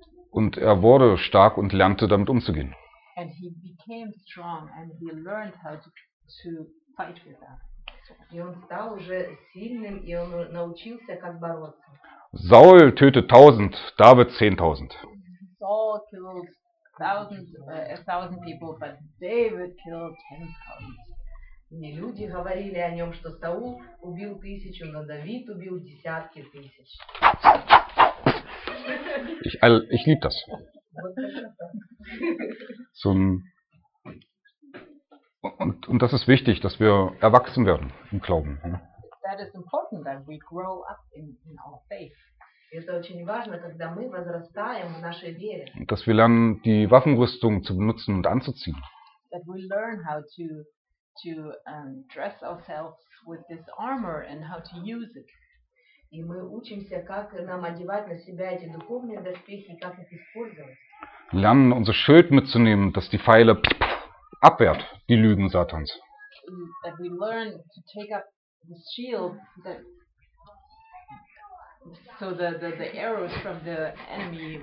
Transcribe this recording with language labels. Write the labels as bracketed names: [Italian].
[German] Und er wurde stark und lernte damit umzugehen. [English] And he became strong and he learned how to fight with that. [Russian] И он стал уже сильным, и он научился как бороться. [German] Saul tötet 1000, David 10.000. [English] Saul killed a thousand people, but David killed 10,000. [Russian] И люди говорили о нем, что Саул убил 1000, но Давид убил десятки тысяч. [German] Ich liebe das. So ein und das ist wichtig, dass wir erwachsen werden im Glauben. [English] That is important that we grow up in our faith. [Russian] Это очень важно, когда мы возрастаем в нашей вере. [German] Und dass wir lernen, die Waffenrüstung zu benutzen und anzuziehen. [English] That we learn how to dress ourselves with this armor and how to use it. [Russian] И мы учимся, как нам одевать на себя эти духовные доспехи и как их использовать. [German] Lernen, unser Schild mitzunehmen, dass die Pfeile abwehrt, die Lügen Satans. [English] That we learn to take up the shield that so the arrows from the enemy.